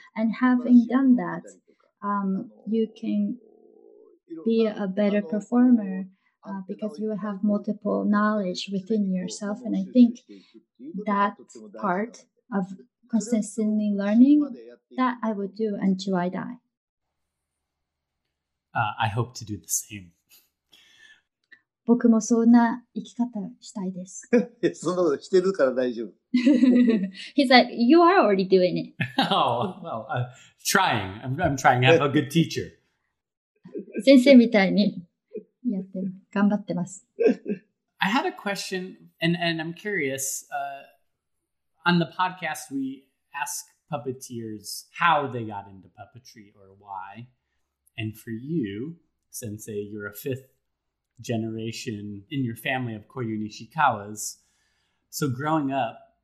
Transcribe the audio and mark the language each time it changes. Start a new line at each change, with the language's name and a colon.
English: And having done that, you can be a better performer because you have multiple knowledge within yourself. And I think that part of consistently learning, that I would do until I die. I hope to do the same.
Japanese: 僕もそんな生き方したいです。そんなことしてるから大丈夫。
English: He's like, you are already doing it. Oh, well, trying. I'm trying. I have a good teacher.
Japanese: 先生みたいにやって頑張ってます。
English: I had a question, and I'm curious. On the podcast, we ask puppeteers how they got into puppetry or why. And for you, sensei, you're a fifth generation in your family of Koryu Nishikawas. So growing up,